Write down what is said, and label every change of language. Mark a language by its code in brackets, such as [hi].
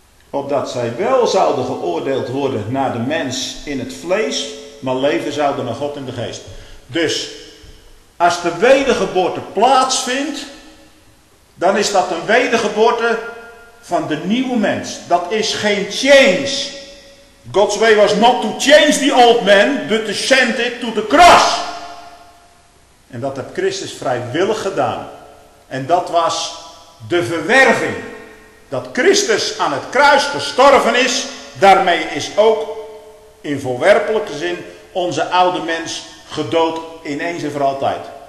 [nl] Opdat zij wel zouden geoordeeld worden naar de mens in het vlees. Maar leven zouden naar God in de geest. Dus als de wedergeboorte plaatsvindt, dan is dat een wedergeboorte van de nieuwe mens. Dat is geen change. [en] God's way was not to change the old man, but to send it to the cross. [nl] En dat heeft Christus vrijwillig gedaan. En dat was de verwerving. Dat Christus aan het kruis gestorven is, daarmee is ook in voorwerpelijke zin onze oude mens gedood in eens en voor altijd.